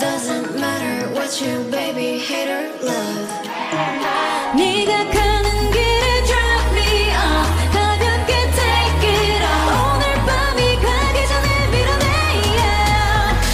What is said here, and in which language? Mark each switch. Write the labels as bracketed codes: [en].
[en] Doesn't matter what you baby hate or love. [ko] 네가 가는 길에 [en] drop me off. [ko] 가볍게 [en] take it off. [ko] 오늘 밤이 가기 전에 밀어내야.